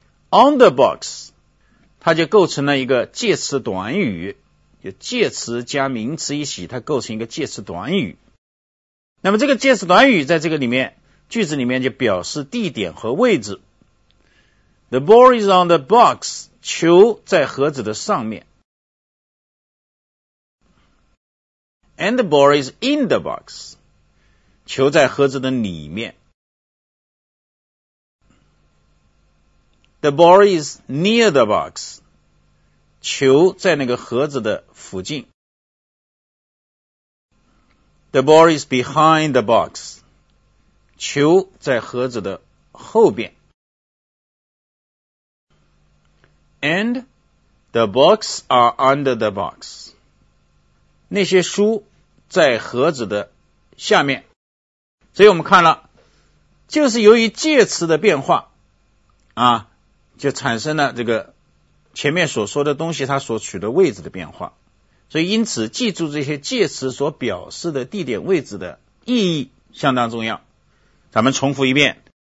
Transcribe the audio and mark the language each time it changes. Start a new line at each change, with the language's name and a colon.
Chinese: On the box, 它就构成了一个介词短语。就介词加名词一起，它构成一个介词短语。那么这个介词短语在这个里面，句子里面就表示地点和位置。
English: The ball is on the box.
Chinese: 球在盒子的上面。
English: And the ball is in the box.
Chinese: 球在盒子的里面。
English: The ball is near the box.
Chinese: 球在那个盒子的附近。
English: The ball is behind the box.
Chinese: 球在盒子的后边。
English: And the books are under the box.
Chinese: 那些书在盒子的下面。所以我们看了，就是由于介词的变化啊，就产生了这个前面所说的东西它所取的位置的变化。所以因此记住这些介词所表示的地点位置的意义相当重要。咱们重复一遍。